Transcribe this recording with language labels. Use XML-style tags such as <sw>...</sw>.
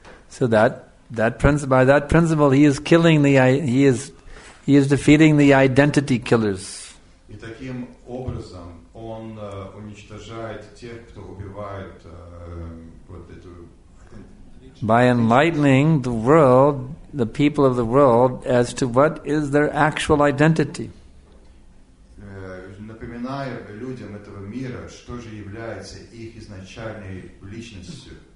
<en>So that principle, by that principle, he is defeating the identity killers.</en> <ru>И таким образом он уничтожает тех, кто убивает вот эту.</ru> <en>By enlightening the world, the people of the world as to what is their actual identity.</en> <ru>Напоминаю людям этого мира, что же является их изначальной личностью.</ru>